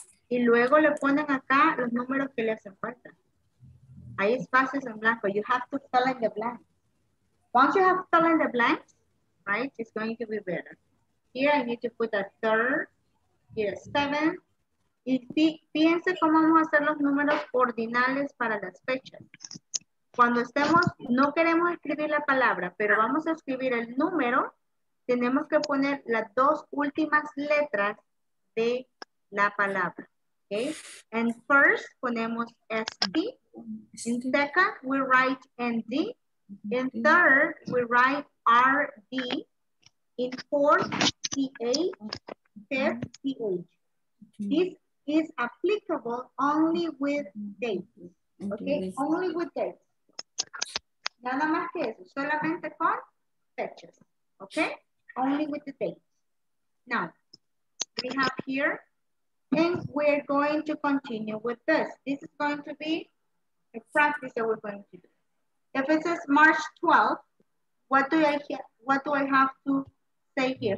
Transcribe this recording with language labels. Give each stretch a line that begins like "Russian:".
Spanish: Y luego le ponen acá los números que le hacen falta. Ahí espacios en blanco.
English: You have to fill in the blanks. Once you have fill in the blanks, right, it's going to be better. Here I need to put a third. Here 7.
Spanish: Y fíjense cómo vamos a hacer los números ordinales para las fechas. Cuando estemos, no queremos escribir la palabra, pero vamos a escribir el número, tenemos que poner las dos últimas letras de la palabra.
English: Okay? And first, ponemos SP. In second, we write ND. In third, we write RD. In fourth, TA. Fifth, TH. This is applicable only with dates. Okay? Only with dates.
Spanish: Nada más que eso. Solamente con fechas. Okay?
English: only with the date. Now, we have here, and we're going to continue with this. This is going to be a practice that we're going to do. If it says March 12th, what do I have to say here?